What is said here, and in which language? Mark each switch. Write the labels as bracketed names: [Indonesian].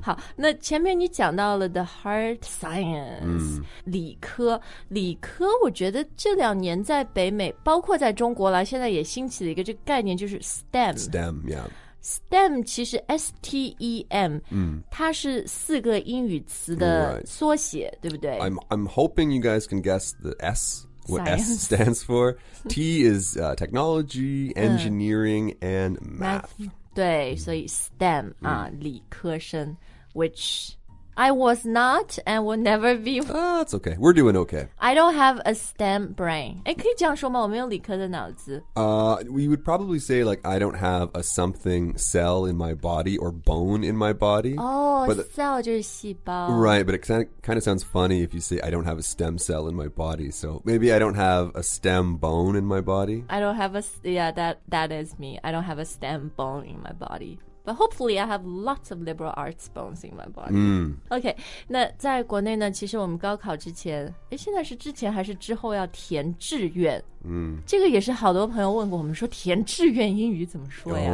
[Chinese] 好那前面你讲到了 The Hard Science、嗯、理科我觉得这两年在北美包括在中国了现在也兴起了一个这个概念就是 STEM、 yeah. STEM 其实 STEM、嗯、它是四个英语词的缩写、 right. 对不对 [English] I'm hoping you guys can guess the SWhat、 Science. S stands for. T is、technology, engineering,、and math. 对、mm. [Chinese] 所以 [English] STEM、 [Chinese] 理科生 [English] which I was not and will never be. That's okay. We're doing okay. I don't have a STEM brain. [Chinese] 诶可以这样说吗我没有理科的脑子、 [English] We would probably say like, I don't have a something cell in my body or bone in my body. [Chinese] Oh, cell 就是细胞。 [English] Right, but it kind of sounds funny if you say, I don't have a STEM cell in my body. So maybe I don't have a STEM bone in my body. I don't have a, yeah, that is me. I don't have a STEM bone in my body. But hopefully I have lots of liberal arts bones in my body.、 Mm. [Chinese] Okay, 那在国内呢其实我们高考之前现在是之前还是之后要填志愿、 mm. 这个也是好多朋友问过我们说填志愿英语怎么说呀、